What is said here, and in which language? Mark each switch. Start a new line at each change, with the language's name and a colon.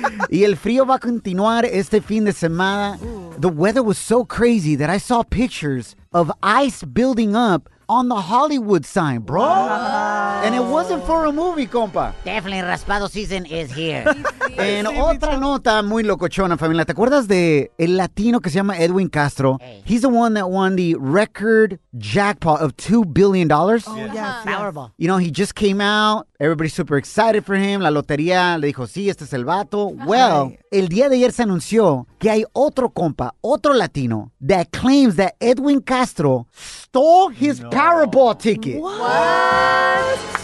Spanish: Y el frío va a continuar este fin de semana.
English: The weather was so crazy that I saw pictures of ice building up on the Hollywood sign, bro. And it wasn't for a movie, compa. Definitely raspado season is here.
Spanish: En otra nota muy locochona, familia. ¿Te acuerdas de el latino que se llama Edwin Castro?
English: Hey. He's the one that won the record jackpot of $2 billion. Oh, yes. Powerball. You know, he just came out. Everybody's super excited for him.
Spanish: La lotería le dijo, sí, este es el vato. Well, el día de ayer se anunció que hay otro compa, otro latino,
English: that claims that Edwin Castro stole his Powerball ticket. What?